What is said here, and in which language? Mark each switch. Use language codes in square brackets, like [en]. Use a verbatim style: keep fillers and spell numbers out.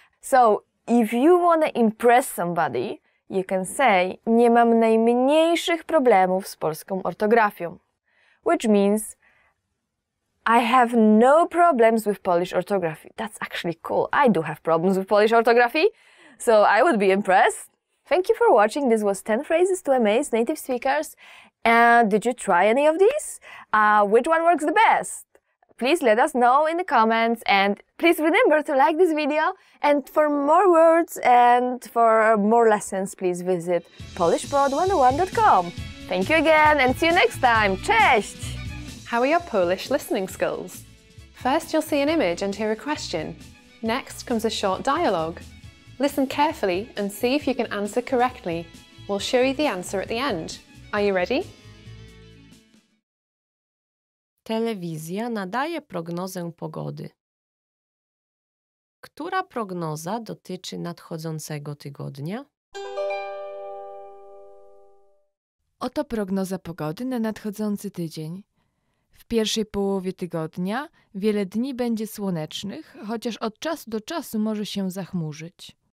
[en] So, if you want to impress somebody, you can say, [pl] nie mam najmniejszych problemów z polską ortografią. [en] Which means, I have no problems with Polish orthography. That's actually cool. I do have problems with Polish orthography, so I would be impressed. Thank you for watching. This was ten phrases to amaze native speakers. And did you try any of these? Uh, which one works the best? Please let us know in the comments, and please remember to like this video. And for more words and for more lessons, please visit Polish Pod one oh one dot com. Thank you again and see you next time. [pl] Cześć! [en] How are your Polish listening skills? First, you'll see an image and hear a question. Next comes a short dialogue. Listen carefully and see if you can answer correctly. We'll show you the answer at the end. Are you ready? [pl] Telewizja nadaje prognozę pogody. Która prognoza dotyczy nadchodzącego tygodnia? Oto prognoza pogody na nadchodzący tydzień. W pierwszej połowie tygodnia wiele dni będzie słonecznych, chociaż od czasu do czasu może się zachmurzyć.